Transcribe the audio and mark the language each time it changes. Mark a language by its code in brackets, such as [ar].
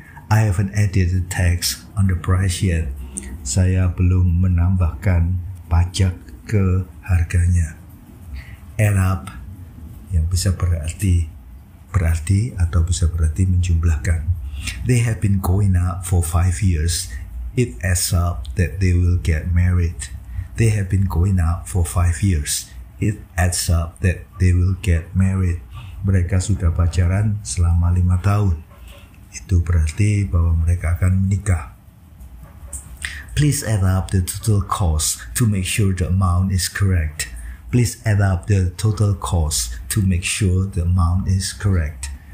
[en] I haven't added the tax on the price yet. [id] Saya belum menambahkan pajak ke harganya. Add up, yang bisa berarti atau bisa berarti menjumlahkan. [en] They have been going out for 5 years. It adds up that they will get married. They have been going out for 5 years. It adds up that they will get married. [id] Mereka sudah pacaran selama 5 tahun. Itu berarti bahwa mereka akan menikah. [en] Please add up the total cost to make sure the amount is correct. Please add up the total cost to make sure the amount is correct.